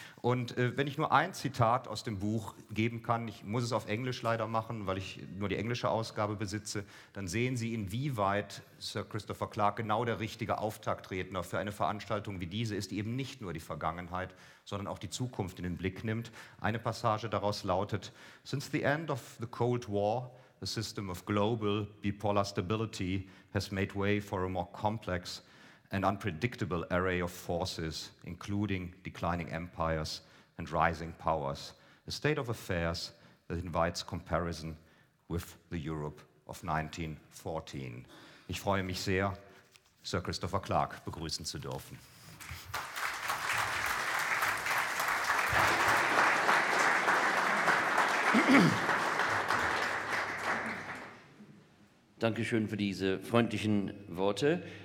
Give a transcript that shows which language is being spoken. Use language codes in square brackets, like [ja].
[de] Und wenn ich nur ein Zitat aus dem Buch geben kann, ich muss es auf Englisch leider machen, weil ich nur die englische Ausgabe besitze, dann sehen Sie, inwieweit Sir Christopher Clarke genau der richtige Auftaktredner für eine Veranstaltung wie diese ist, die eben nicht nur die Vergangenheit, sondern auch die Zukunft in den Blick nimmt. Eine Passage daraus lautet: [en] Since the end of the Cold War, the system of global bipolar stability has made way for a more complex an unpredictable array of forces, including declining empires and rising powers, a state of affairs that invites comparison with the Europe of 1914. [de] Ich freue mich sehr, Sir Christopher Clarke begrüßen zu dürfen. Dankeschön für diese freundlichen Worte.